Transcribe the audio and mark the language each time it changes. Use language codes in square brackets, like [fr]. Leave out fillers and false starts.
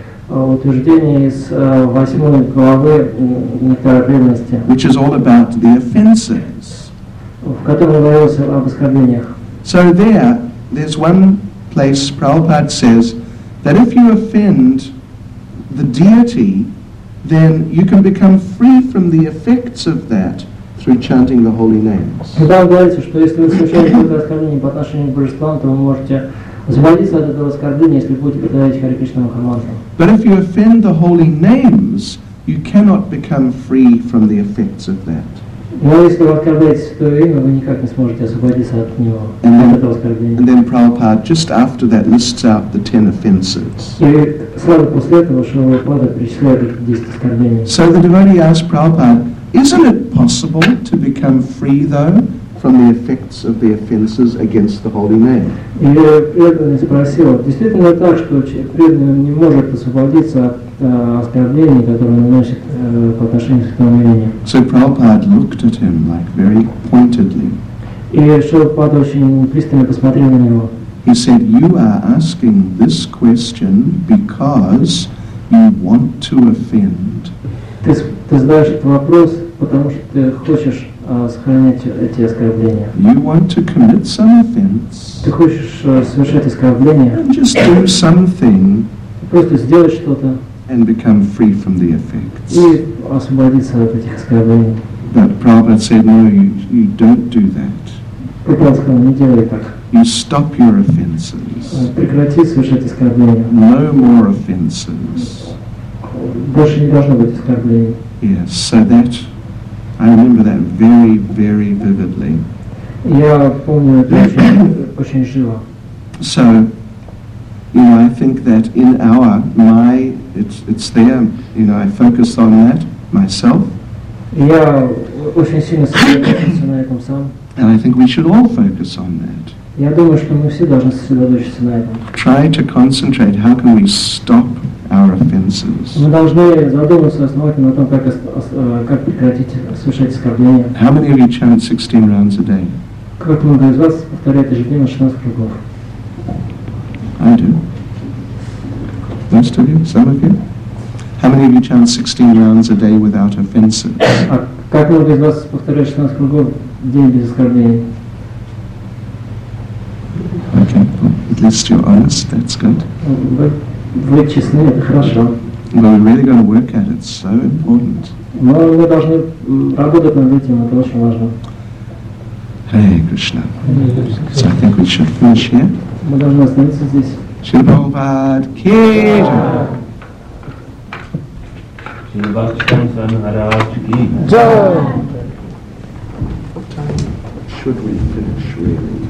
[ru] Утверждение из восьмой главы нетерпимости, [en] which is all about the offenses, [ru] в котором говорилось об оскорблениях. [en] So there's one place Prabhupada says that if you offend the deity, then you can become free from the effects of that through chanting the holy names. [ru] Там говорится, что если вы совершаете оскорбление по отношению к божествам, то вы можете освободиться от этого оскорбления, если будете повторять Харе Кришна Маха Мантру. [en] But if you offend the holy names, you cannot become free from the effects of that. [ru] Но если вы оскорбляете святое имя, вы никак не сможете освободиться от него, от этого оскорбления. [en] And then Prabhupada, just after that, lists out the 10 offenses. [ru] И сразу после этого Шрила Прабхупада перечисляет 10 оскорблений. [en] So the devotee asked Prabhupada, isn't it possible to become free though from the effects of the offenses against the holy name? [ru] И преданный спросил, действительно так, что преданный не может освободиться от оскорблений, которые наносит по отношению к святому имени? [en] So Prabhupada looked at him like very pointedly. [ru] И Шрила Прабхупада очень пристально посмотрел на него. [en] He said, you are asking this question because you want to offend. [ru] Ты задаешь этот вопрос, потому что ты хочешь сохранять эти оскорбления. [en] You want to commit some offense. [ru] Ты хочешь совершать оскорбление. [en] Just do something. [ru] Просто сделать что-то. [en] And become free from the effects. [ru] И освободиться от этих оскорблений. [en] But Prabhupada said, no, you don't do that. [ru] Прабхупада сказал, не делай так. [en] You stop your offenses. [ru] Прекрати совершать оскорбления. [en] No more offenses. [ru] Больше не должно быть оскорблений. [en] Yes, so that I remember that very, very vividly. [ru] Я помню это очень живо. [en] So, you know, I think that in our it's there. You know, I focused on that myself. [ru] Я очень сильно сосредоточился на этом сам. [en] And I think we should all focus on that. [ru] Я думаю, что мы все должны сосредоточиться на этом. [en] Try to concentrate. How can we stop our offenses? [ru] Мы должны задуматься основательно о том, как прекратить совершать оскорбления. [en] How many of you chant 16 rounds a day? [ru] Как много из вас повторяет ежедневно 16 кругов? [en] I do. Most of you? Some of you? How many of you chant 16 rounds a day without offenses? [ru] А как много из вас повторяет 16 кругов в день без оскорблений? [en] Least you're honest, that's good. [ru] Вы честны, это хорошо. [en] Well, we're really going to work at it, it's so important. [ru] Но мы должны работать над этим, это очень важно. [en] Hey, Krishna. So I think we should finish here. [ru] Мы должны остановиться здесь. [hi] Shri Prabhupada Ki